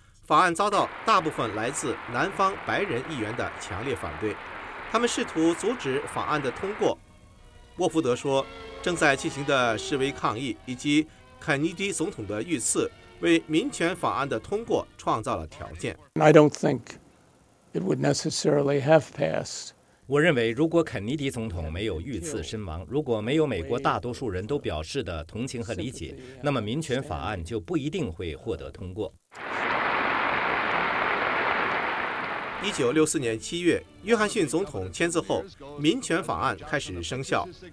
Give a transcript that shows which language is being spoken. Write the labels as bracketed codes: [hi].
[zh] 法案遭到大部分来自南方白人议员的强烈反对，他们试图阻止法案的通过。沃福德说，正在进行的示威抗议以及肯尼迪总统的遇刺，为民权法案的通过创造了条件。 [en] I don't think it would necessarily have passed. [zh] 我认为，如果肯尼迪总统没有遇刺身亡，如果没有美国大多数人都表示的同情和理解，那么民权法案就不一定会获得通过。 1964年7月，约翰逊总统签字后，民权法案开始生效。